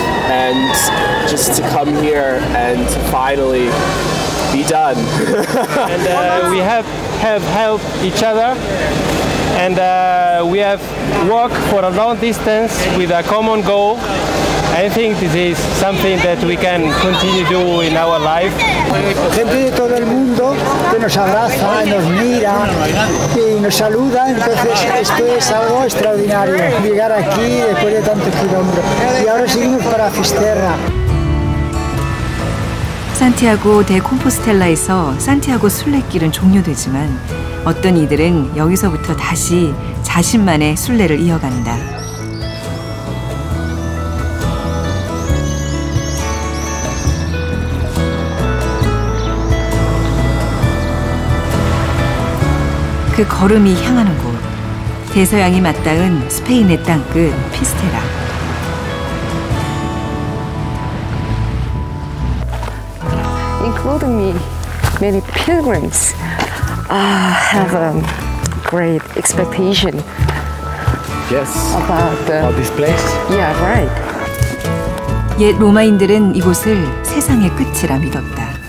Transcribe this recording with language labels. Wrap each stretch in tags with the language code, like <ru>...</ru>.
<en>And just to come here and finally be done. And we have helped each other. And we have walked for a long distance with a common goal. I think this is something that we can continue to do in our life.</en> <es>Gente de todo el mundo que nos abraza, nos mira y nos saluda. Entonces esto es algo extraordinario, llegar aquí después de tantos kilómetros. Y ahora seguimos para Fisterra.</es> <ko>Santiago de Compostela에서 산티아고 순례길은 종료되지만 어떤 이들은 여기서부터 다시 자신만의 순례를 이어간다. 그 걸음이 향하는 곳, 대서양이 맞닿은 스페인의 땅끝 피스테라.</ko> <en>good to meet many pilgrims. Have a great expectation. Yes. About this place. Yeah, right.</en> <ko>옛 로마인들은 이곳을 세상의 끝이라 믿었다.</ko>